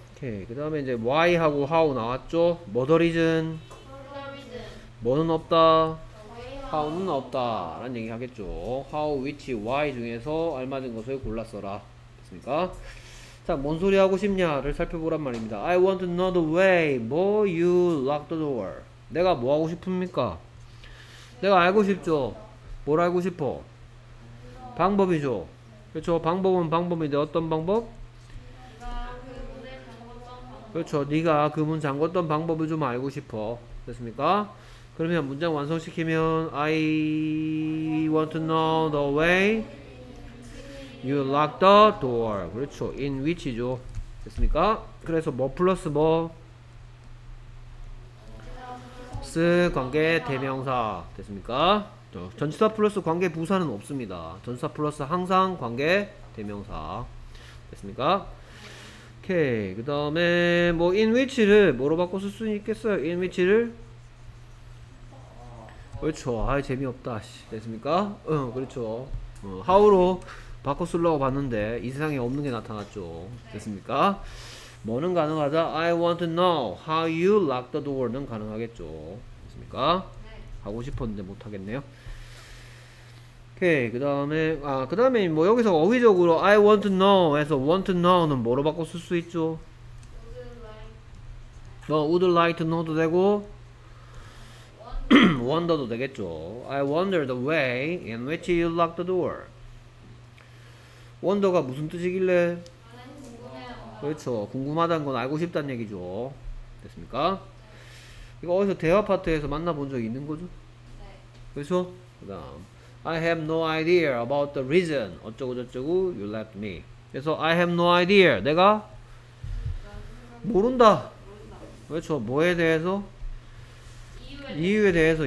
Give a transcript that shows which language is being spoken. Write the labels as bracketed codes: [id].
[ko] 오케이. 그 다음에 이제 why 하고 how 나왔죠? [en] what the reason? what the reason? [ko] 뭐는 없다? how는 없다 라는 얘기 하겠죠. how, which, why 중에서 알맞은 것을 골랐어라 됐습니까? 자, 뭔 소리 하고 싶냐를 살펴보란 말입니다. [en] I want to know the way more you lock the door. [ko] 내가 뭐 하고 싶습니까? 내가 알고 싶죠. 뭘 알고 싶어? 방법이죠. 그렇죠. 방법은 방법인데 어떤 방법? 그렇죠. 네가 그 문 잠궜던 방법을 좀 알고 싶어. 됐습니까? 그러면 문장 완성시키면 [en] I want to know the way you lock the door. [ko] 그렇죠. [en] In which죠. [ko] 됐습니까? 그래서 뭐 플러스 뭐? 스 관계 대명사. 됐습니까? 전치사 플러스 관계 부사는 없습니다. 전치사 플러스 항상 관계 대명사. 됐습니까? 오케이. 그 다음에 뭐 in which를 뭐로 바꿔 쓸 수 있겠어요? in which를? 그렇죠. 아 재미없다. 씨. 됐습니까? 응, 그렇죠. 어, how로 바꿔 쓰려고 봤는데 이 세상에 없는 게 나타났죠. 됐습니까? 뭐는 가능하다? [en] I want to know how you lock the door는 가능하겠죠. [ko] 됐습니까? 하고 싶었는데 못 하겠네요. 오케이. 그 다음에 아 그 다음에 뭐 여기서 어휘적으로 [en] I want to know [ko] 에서 want to know는 뭐로 바꿔 쓸 수 있죠? [en] Would like to know도 되고 wonder도 되겠죠. I wonder the way in which you lock the door. [ko] wonder가 무슨 뜻이길래? 그렇죠. 궁금하다는 건 알고 싶다는 얘기죠. 됐습니까? 이거 어디서 대화 파트에서 만나본 적 있는 거죠? 네. 그렇죠? 그 다음 [en] I have no idea about the reason [ko] 어쩌고 저쩌고 [en] you left me. [ko] 그래서 [en] I have no idea [ko] 내가 모른다. 그렇죠. 뭐에 대해서? 이유에 대해서.